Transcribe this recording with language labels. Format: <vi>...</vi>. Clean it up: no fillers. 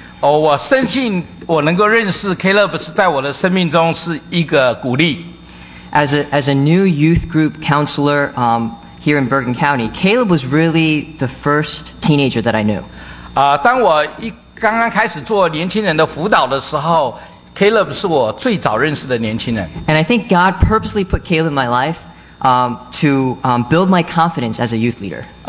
<zh>我深信我能够认识Caleb是在我的生命中是一个鼓励。</zh> <en>As a new youth group counselor, here in Bergen County, Caleb was really the first teenager that I knew.</en> <zh>当我刚刚开始做年轻人的辅导的时候, Caleb 是我最早认识的年轻人。</zh> <en>And I think God purposely put Caleb in my life to build my confidence as a youth leader.</en>